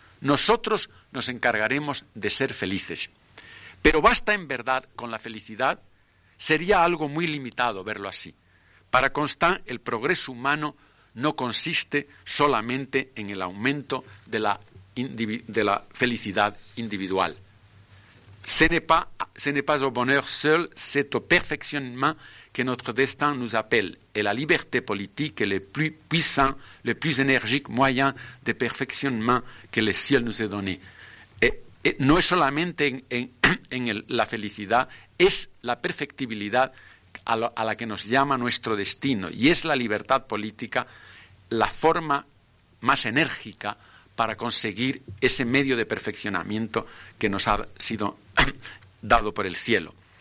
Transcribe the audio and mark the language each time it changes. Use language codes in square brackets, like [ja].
[es] Nosotros nos encargaremos de ser felices. Pero ¿basta en verdad con la felicidad? Sería algo muy limitado verlo así. Para Constant, el progreso humano no consiste solamente en el aumento de la felicidad individual. [fr] Ce n'est pas au bonheur seul, c'est au perfectionnement que notre destin nous appelle. Et la liberté politique est le plus puissant, le plus énergique moyen de perfectionnement que le ciel nous a donné. [es] No es solamente la felicidad, es la perfectibilidad a la que nos llama nuestro destino, y es la libertad política la forma más enérgica para conseguir ese medio de perfeccionamiento que nos ha sido dado por el cielo.